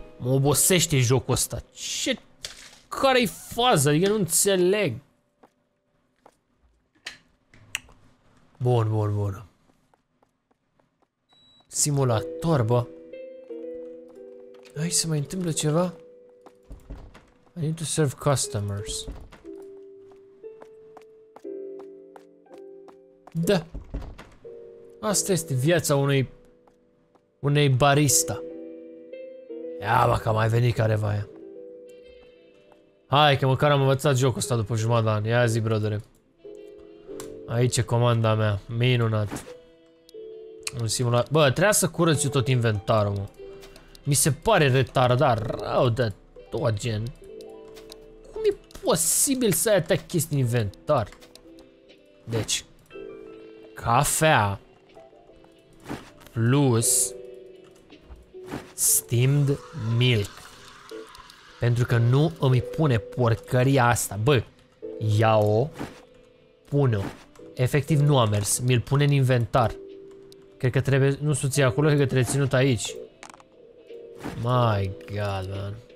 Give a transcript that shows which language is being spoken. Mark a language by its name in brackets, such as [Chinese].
[Romanian] Mă obosește jocul ăsta, ce? Care-i faza? Adică nu înțeleg. Bun. Simulator, bă! Hai să mai întâmplă ceva? [English] I need to serve customers. [Romanian] Da! Asta este viața unei barista. Ia bă, că a mai venit careva aia. Hai, că măcar am învățat jocul ăsta după jumătate de an. Ia zi, brodere. Aici e comanda mea. Minunat. Un simulat. Bă, trebuia să curăț eu tot inventarul, mă. Mi se pare retardat rău de tot, gen. Cum e posibil să ai atâta chestii în inventar? Deci, cafea plus [English] steamed milk. [Romanian] Pentru că nu îmi pune porcăria asta. Bă, ia-o, pune-o. Efectiv nu a mers, mi-l pune în inventar. Cred că trebuie, nu s-o ții acolo, cred că trebuie ținut aici. [English] My god, man.